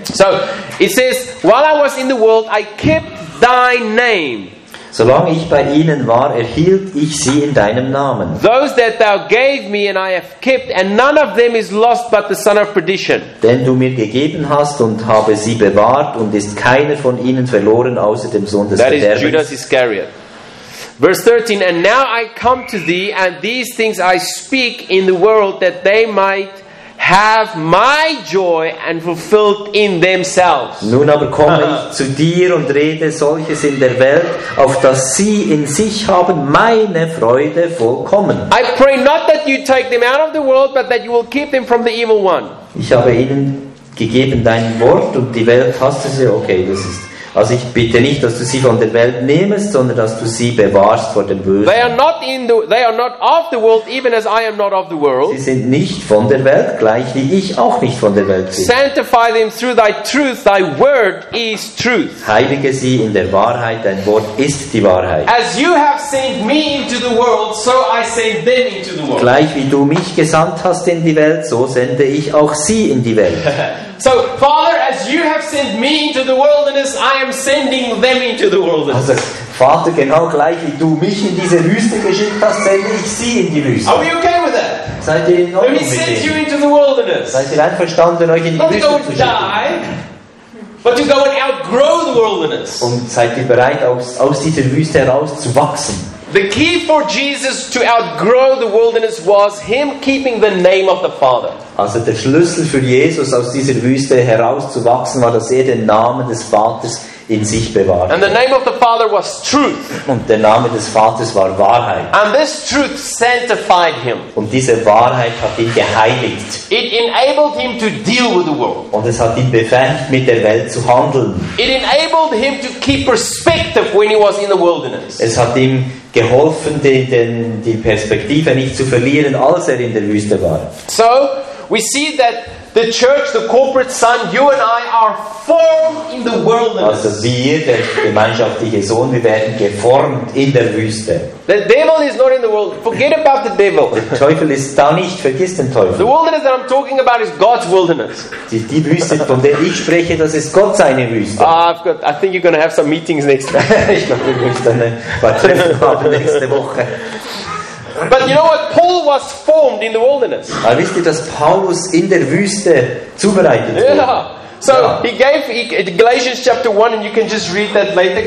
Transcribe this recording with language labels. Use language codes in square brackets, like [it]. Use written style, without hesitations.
[en] So it says, while I was in the world, I kept thy name. [de] Solange ich bei ihnen war, erhielt ich sie in deinem Namen. [en] Those that thou gave me and I have kept, and none of them is lost but the son of perdition. [de] Denn du mir gegeben hast und habe sie bewahrt und ist keiner von ihnen verloren außer dem Sohn des Verderbens. [en] That is Judas Iscariot. Verse 13, and now I come to thee and these things I speak in the world that they might have my joy and fulfilled in themselves. [de] Nun aber komme ich zu dir und rede solches in der Welt, auf dass sie in sich haben meine Freude vollkommen. [en] I pray not that you take them out of the world, but that you will keep them from the evil one. [de] Ich habe ihnen gegeben dein Wort und die Welt hasste sie. Okay, das ist. Also ich bitte nicht, dass du sie von der Welt nimmst, sondern dass du sie bewahrst vor dem Bösen. [en] They are not of the world, even as I am not of the world. [de] Sie sind nicht von der Welt, gleich wie ich auch nicht von der Welt bin. [en] Sanctify them through thy truth, thy word is truth. [de] Heilige sie in der Wahrheit, dein Wort ist die Wahrheit. [en] As you have sent me into the world, so I send them into the world. [de] Gleich wie du mich gesandt hast in die Welt, so sende ich auch sie in die Welt. [en] So, Father, as you have sent me into the wilderness, I am sending them into the wilderness. [de] Also, Vater, genau gleich wie du mich in diese Wüste geschickt hast, sende ich sie in die Wüste. [en] Are we okay with that? [de] Seid ihr in Ordnung mit dem? [en] He sent you into the wilderness. [de] Seid ihr einverstanden, euch in die Wüste zu schicken? [en] Not to go and die, but to go and outgrow the wilderness. [de] Und seid ihr bereit, aus dieser Wüste heraus zu wachsen? [en] The key for Jesus to outgrow the wilderness was him keeping the name of the Father. [de] Also der Schlüssel für Jesus aus dieser Wüste herauszuwachsen war, dass er den Namen des Vaters in sich bewahrte. [en] And the name of the Father was truth. [de] Und der Name des Vaters war Wahrheit. [en] And this truth sanctified him. [de] Und diese Wahrheit hat ihn geheiligt. [en] It enabled him to deal with the world. [de] Und es hat ihn befähigt, mit der Welt zu handeln. [en] It enabled him to keep perspective when he was in the wilderness. [de] Es hat ihm geholfen, die Perspektive nicht zu verlieren, als er in der Wüste war. [en] So, we see that the church, the corporate son, you and I are formed in the wilderness. [de] Also wir, der gemeinschaftliche Sohn, wir werden geformt in der Wüste. [en] The devil is not in the world. Forget about the devil. [de] Der Teufel ist da nicht. Vergiss den Teufel. [en] The wilderness that I'm talking about is God's wilderness. [de] Die Wüste, von der ich spreche, das ist Gott seine Wüste. [en] I think you're going to have some meetings next time. [de] Ich glaube, wir müssen ein paar Treffen haben nächste Woche. [en] But you know what? Paul was formed in the wilderness. [de] Aber wisst ihr, dass Paulus in der Wüste zubereitet wurde? [en] Galatians chapter 1, and you can just read that later.